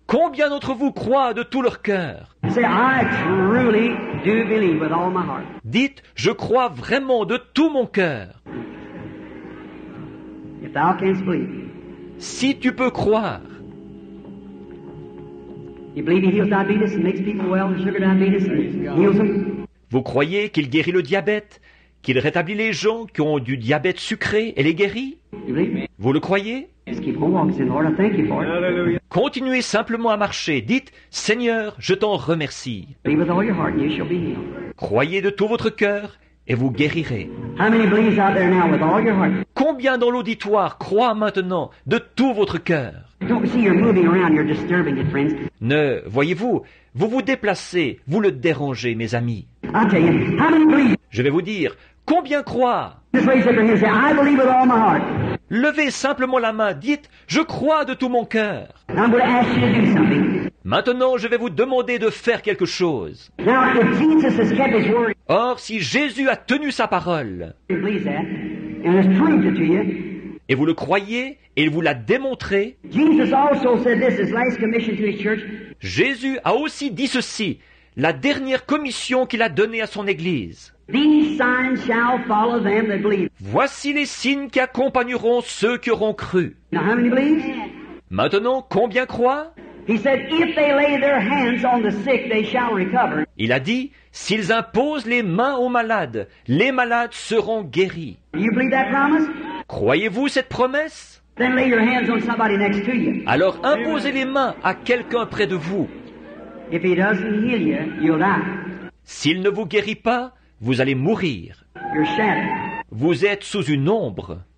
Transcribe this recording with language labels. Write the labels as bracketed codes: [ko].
[fr] Combien d'entre vous croient de tout leur cœur? [en] Say, I truly do believe with all my heart. [fr] Dites, je crois vraiment de tout mon cœur. [en] If thou canst believe, [fr] si tu peux croire, [en] you believe he heals diabetes and makes people well, sugar diabetes and heals them. [fr] Vous croyez qu'il guérit le diabète, qu'il rétablit les gens qui ont du diabète sucré et les guérit? [en] You believe me? [fr] Vous le croyez? [en] Just keep on walking, say, Lord, I thank you for it. Hallelujah. [fr] Continuez simplement à marcher. Dites, Seigneur, je t'en remercie. [en] Believe with all your heart and you shall be healed. [fr] Croyez de tout votre cœur et vous guérirez. [en] How many believes out there now with all your heart? [fr] Combien dans l'auditoire croient maintenant de tout votre cœur? [en] Don't see you're moving around, you're disturbing it, friends. [fr] Ne, voyez-vous, vous vous déplacez, vous le dérangez, mes amis. [en] I'll tell you, how many believe? [fr] Je vais vous dire, combien croient? [en] Just raise up your hand and say, I believe with all my heart. [fr] Levez simplement la main, dites, je crois de tout mon cœur. [en] I'm going to ask you to do something. [fr] Maintenant, je vais vous demander de faire quelque chose. [en] Now, if Jesus has kept his word, [fr] or, si Jésus a tenu sa parole, [en] and has proved it to you, [fr] et vous le croyez, et il vous l'a démontré, [en] Jesus also said this, his last commission to his church. [fr] Jésus a aussi dit ceci, la dernière commission qu'il a donnée à son Église. [en] These signs shall follow them that believe. [fr] Voici les signes qui accompagneront ceux qui auront cru. [en] Now, how many believe? [fr] Maintenant, combien croient? [en] He said, if they lay their hands on the sick, they shall recover. [fr] Il a dit, s'ils imposent les mains aux malades, les malades seront guéris. [en] You believe that promise? [fr] Croyez-vous cette promesse? [en] Then lay your hands on somebody next to you. [fr] Alors imposez les mains à quelqu'un près de vous. [en] If he doesn't heal you, you'll die. [fr] S'il ne vous guérit pas, vous allez mourir. [en] You're shattered. [fr] Vous êtes sous une ombre.